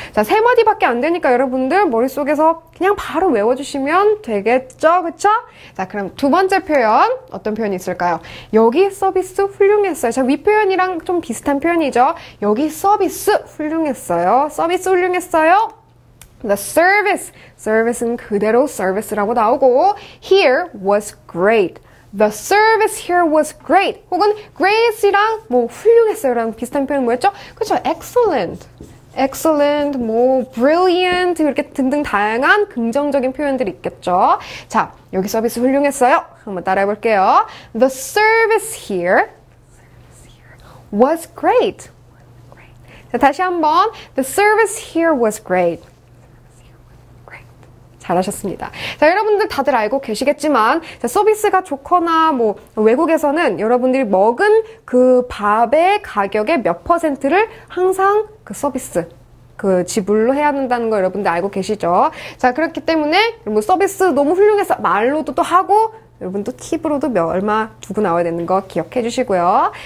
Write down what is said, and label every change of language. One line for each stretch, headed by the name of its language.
Korean: 자, 세 마디밖에 안 되니까 여러분들 머릿속에서 그냥 바로 외워주시면 되겠죠? 그쵸? 자, 그럼 두 번째 표현. 어떤 표현이 있을까요? 여기 서비스 훌륭했어요. 자, 윗표현이랑 좀 비슷한 표현이죠? 여기 서비스 훌륭했어요. 서비스 훌륭했어요.
English: The service.
Korean: Service는 그대로 service라고 나오고,
English: here was great. The service here was great.
Korean: 혹은 grace랑 뭐 훌륭했어요랑 비슷한 표현 뭐였죠? 그렇죠. Excellent, excellent, 뭐 brilliant 이렇게 등등 다양한 긍정적인 표현들이 있겠죠. 자, 여기 서비스 훌륭했어요. 한번 따라해 볼게요.
English: The service here was great.
Korean: 자, 다시 한번.
English: The service here was great.
Korean: 잘하셨습니다. 자, 여러분들 다들 알고 계시겠지만, 자, 서비스가 좋거나 뭐 외국에서는 여러분들이 먹은 그 밥의 가격의 몇 퍼센트를 항상 그 서비스, 그 지불로 해야 한다는 거 여러분들 알고 계시죠? 자, 그렇기 때문에 여러분 서비스 너무 훌륭해서 말로도 또 하고, 여러분도 팁으로도 얼마 두고 나와야 되는 거 기억해 주시고요.